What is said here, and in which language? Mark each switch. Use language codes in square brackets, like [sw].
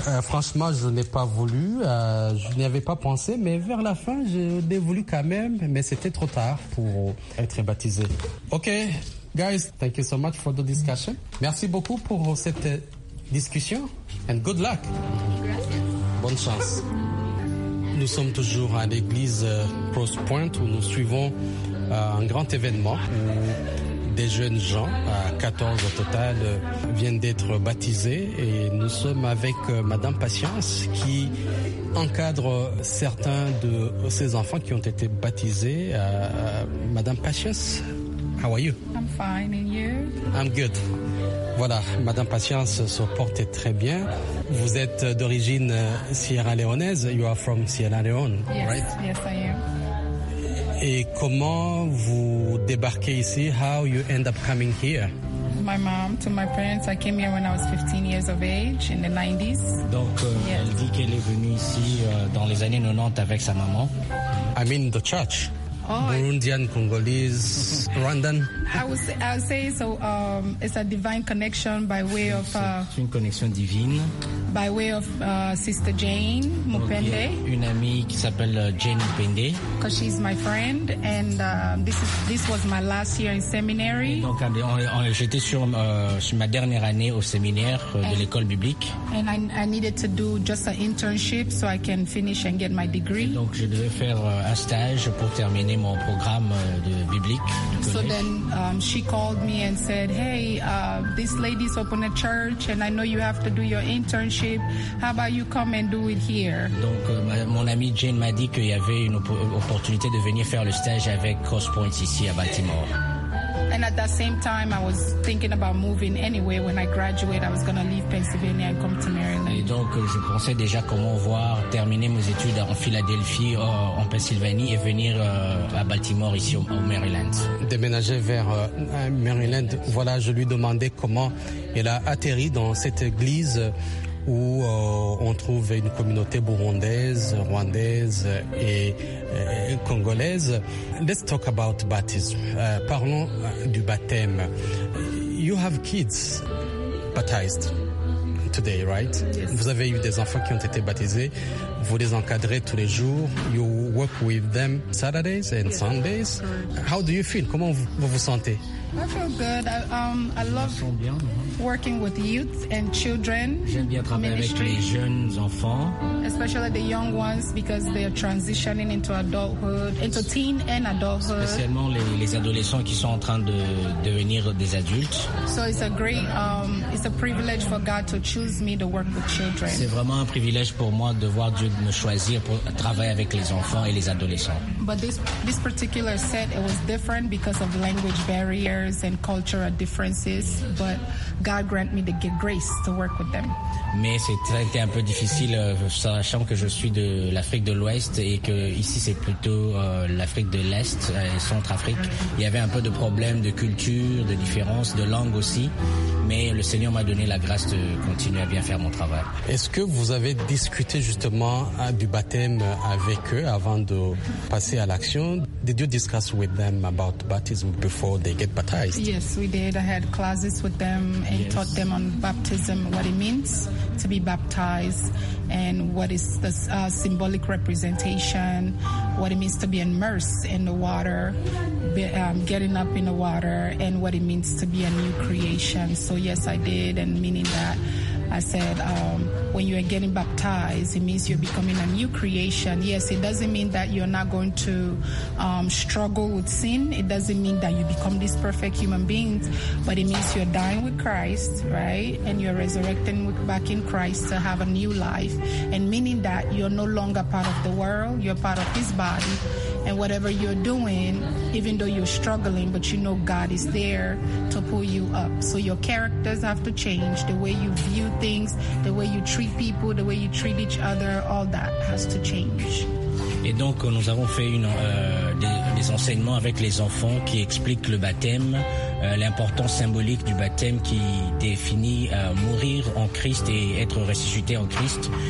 [fr] Franchement, je n'ai pas voulu. Je n'y avais pas pensé, mais vers la fin, je l'ai voulu quand même, mais c'était trop tard pour être baptisé. [en] OK. Guys, thank you so much for the discussion. Merci beaucoup pour cette discussion. And good luck. Bonne chance. [fr] Nous sommes toujours à l'église Cross Point où nous suivons un grand événement où des jeunes gens, 14 au total, viennent d'être baptisés. Et nous sommes avec Madame Patience qui encadre certains de ces enfants qui ont été baptisés. [en] Madame Patience, how are you? Fine, and you? I'm good. [fr] Voilà, Madame Patience se porte très bien. Vous êtes d'origine Sierra Leonaise. [en] You are from Sierra Leone, yes, right? Yes, I am. [fr] Et comment vous débarquez ici? [en] How you end up coming here? My mom to my parents. I came here when I was 15 years of age in the 90s. [fr] Donc, yes. Elle dit qu'elle est venue ici dans les années 90 avec sa maman. [en] I mean the church. Oh, Burundian, Congolese, Rwandan. I would say so. It's a divine connection by way of. [fr] C'est une connexion divine. [en] By way of Sister Jane Mupende. [fr] Donc, une amie qui s'appelle Jane Mupende. [en] Because she's my friend, and this was my last year in seminary. [fr] J'étais sur ma dernière année au séminaire de l'école biblique. [en] And I needed to do just an internship so I can finish and get my degree. [fr] Donc je devais faire un stage pour terminer mon programme de biblique. [en] So then she called me and said, hey, this lady's open a church and I know you have to do your internship. How about you come and do it here? [fr] Donc mon amie Jane m'a dit qu'il y avait une opportunité de venir faire le stage avec Cross Point ici à Baltimore. [en] And at that same time, I was thinking about moving anyway. When I graduate, I was going to leave Pennsylvania and come to Maryland. [fr] Et donc, je pensais déjà comment voir terminer mes études en Philadelphie, en Pennsylvanie, et venir à Baltimore, ici, au Maryland. Déménager vers Maryland, voilà, je lui demandais comment elle a atterri dans cette église où on trouve une communauté burundaise, rwandaise et congolaise. [en] Let's talk about baptism. [fr] Parlons du baptême. [en] You have kids baptized. today, right? Yes. [fr] Vous avez eu des enfants qui ont été baptisés. Vous les encadrez tous les jours. [en] You work with them Saturdays and yes. Sundays. Correct. How do you feel? [fr] Comment vous vous sentez? [en] I feel good. I love working with youth and children. [fr] J'aime bien travailler [en] ministry, [fr] avec les jeunes enfants. [en] Especially the young ones because they are transitioning into adulthood, into teen and adulthood. [fr] Spécialement les adolescents qui sont en train de devenir des adultes. [en] So it's a great, it's a privilege for God to choose me to work with children. [fr] C'est vraiment un privilège pour moi de voir Dieu me choisir pour travailler avec les enfants et les adolescents. [en] But this particular set, it was different because of language barrier. And cultural differences, but God grant me the grace to work with them. [fr] Mais c'était un peu difficile, sachant que je suis de l'Afrique de l'Ouest et que ici c'est plutôt l'Afrique de l'Est, Centrafrique. Il y avait un peu de problèmes de culture, de différences, de langue aussi. Mais le Seigneur m'a donné la grâce de continuer à bien faire mon travail. Est-ce que vous avez discuté justement du baptême avec eux avant de passer à l'action? [en] Did you discuss with them about baptism before they get baptized? Yes, we did. I had classes with them and yes. taught them on baptism, what it means to be baptized, and what is the symbolic representation, what it means to be immersed in the water, getting up in the water, and what it means to be a new creation. So yes, I did, and meaning that I said, when you are getting baptized, it means you're becoming a new creation. Yes, it doesn't mean that you're not going to struggle with sin. It doesn't mean that you become this perfect human being, but it means you're dying with Christ, right? And you're resurrecting back in Christ to have a new life, and meaning that you're no longer part of the world. You're part of His body, and whatever you're doing, even though you're struggling, but you know God is there to pull you up. So your characters have to change, the way you view things, the way you treat people, the way you treat each other, all that has to change. [fr] Et donc, nous avons fait des enseignements avec les enfants qui expliquent le baptême, l'importance symbolique du baptême qui définit mourir en Christ et être ressuscité en Christ.